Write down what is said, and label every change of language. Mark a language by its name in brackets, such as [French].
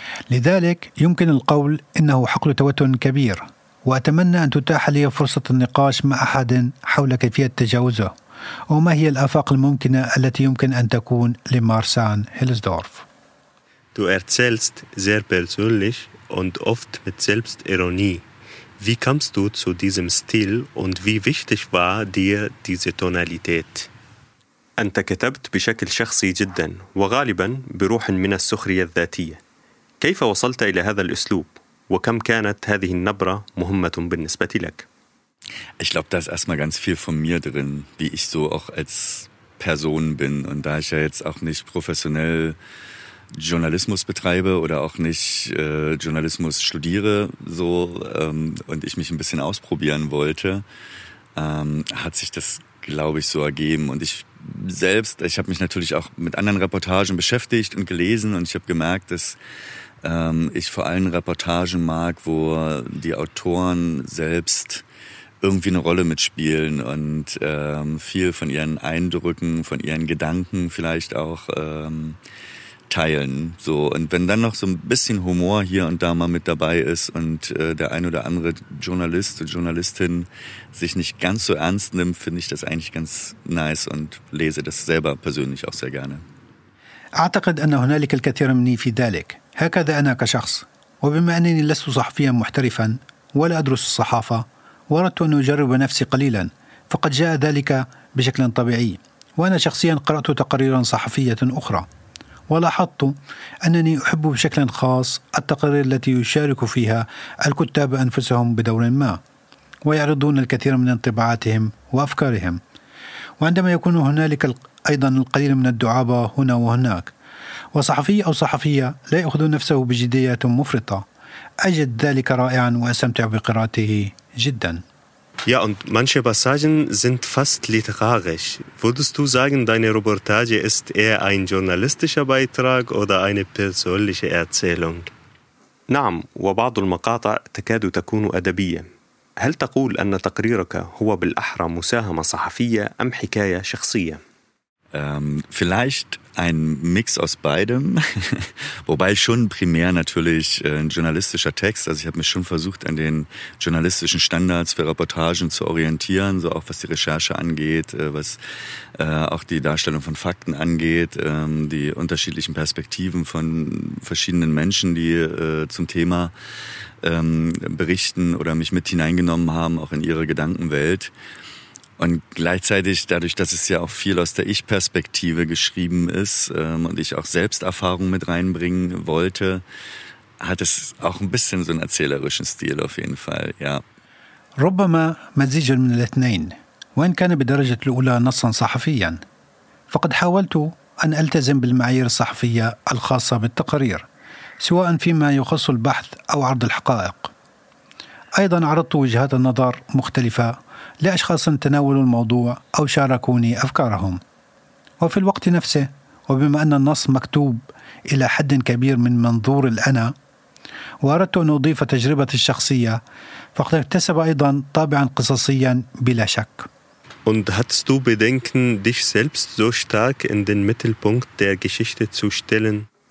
[Arabic] لذلك يمكن القول إنه حقل توتر كبير وأتمنى أن تتاح لي فرصة النقاش مع أحد حول كيفية تجاوزه وما هي الآفاق الممكنة التي يمكن أن تكون لمارسان-هيلسدورف. [German] Du erzählst sehr persönlich und oft mit Selbstironie. Wie kamst du zu diesem Stil und wie wichtig war dir diese Tonalität? [Arabic] أنت كتبت بشكل شخصي جدا وغالبا بروح من السخرية الذاتية. كيف وصلت إلى هذا الأسلوب؟ وكم كانت هذه النبرة مهمة بالنسبة لك؟ [German] Ich glaube, da ist erstmal ganz viel von mir drin, wie ich so auch als Person bin. Und da ich ja jetzt auch nicht professionell Journalismus betreibe oder auch nicht Journalismus studiere, so und ich mich ein bisschen ausprobieren wollte, hat sich das, glaube ich, so ergeben. Und ich selbst, ich habe mich natürlich auch mit anderen Reportagen beschäftigt und gelesen, und ich habe gemerkt, dass ich vor allem Reportagen mag, wo die Autoren selbst irgendwie eine Rolle mitspielen und viel von ihren Eindrücken, von ihren Gedanken vielleicht auch teilen. So. Und wenn dann noch so ein bisschen Humor hier und da mal mit dabei ist und der ein oder andere Journalist und Journalistin sich nicht ganz so ernst nimmt, finde ich das eigentlich ganz nice und lese das selber persönlich auch sehr gerne. [Arabic] أعتقد أن هنالك الكثير مني في ذلك. هكذا أنا كشخص. وبما أنني لست صحفيا محترفا ولا أدرس الصحافة، وردت أن أجرب نفسي قليلا، فقد جاء ذلك بشكل طبيعي. وأنا شخصيا قرأت تقريرا صحفية أخرى، ولاحظت أنني أحب بشكل خاص التقارير التي يشارك فيها الكتاب أنفسهم بدور ما، ويعرضون الكثير من انطباعاتهم وأفكارهم. وعندما يكون هنالك أيضا القليل من الدعابة هنا وهناك، وصحفي أو صحفية لا يأخذ نفسه بجدية مفرطة، أجد ذلك رائعا وأستمتع بقراءته جدا. [German] Ja, und manche Passagen sind fast literarisch. Würdest du sagen, deine Reportage ist eher ein journalistischer Beitrag oder eine persönliche Erzählung? [Arabic] نعم، وبعض المقاطع تكاد تكون أدبية. هل تقول أن تقريرك هو بالأحرى مساهمة صحفية أم حكاية شخصية؟ [German] Vielleicht ein Mix aus beidem, wobei schon primär natürlich ein journalistischer Text. Also ich habe mich schon versucht, an den journalistischen Standards für Reportagen zu orientieren, so auch was die Recherche angeht, was auch die Darstellung von Fakten angeht, die unterschiedlichen Perspektiven von verschiedenen Menschen, die zum Thema berichten oder mich mit hineingenommen haben, auch in ihre Gedankenwelt. Und gleichzeitig, dadurch, dass es ja auch viel aus der Ich-Perspektive geschrieben ist und ich auch Selbsterfahrung mit reinbringen wollte, hat es auch ein bisschen so einen erzählerischen Stil auf jeden Fall, ja. [Arabic] ربما مزيج من الاثنين، وإن كان بدرجة الأولى نصاً صحفياً، فقد حاولت أن ألتزم بالمعايير الصحفية الخاصة بالتقارير، سواء فيما يخص البحث أو عرض الحقائق. أيضاً عرضت وجهات النظر مختلفة لأشخاص تناولوا الموضوع أو شاركوني أفكارهم. وفي الوقت نفسه، وبما أن النص مكتوب إلى حد كبير من منظور الأنا، وأردت أن أضيف تجربة الشخصية، فقد اكتسب أيضا طابعا قصصيا بلا شك. [German] Und hattest du Bedenken, dich selbst so stark in den Mittelpunkt der Geschichte zu stellen?